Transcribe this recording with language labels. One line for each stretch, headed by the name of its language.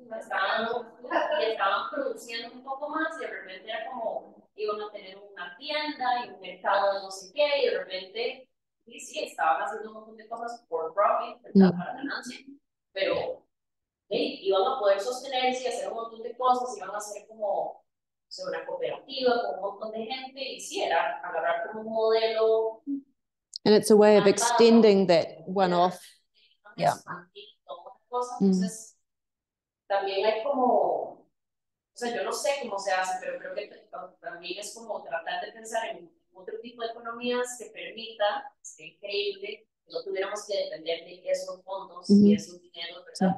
Spanish: Estaban produciendo un poco más y de repente era como iban a tener una tienda y un mercado de no sé qué y de repente y sí, estaban haciendo un montón de cosas
English: for profit,
Spanish: para ganancia, pero iban a poder sostenerse y hacer un montón de cosas, iban a ser como una cooperativa con un montón de gente y sí, era agarrar como un modelo.
English: And it's a way of extending that one off. Yeah.
Spanish: Entonces, también hay como, o sea, yo no sé cómo se hace, pero creo que también es como tratar de pensar en otro tipo de economías que permita, es que increíble, que no tuviéramos que depender de esos fondos y esos dineros, ¿verdad?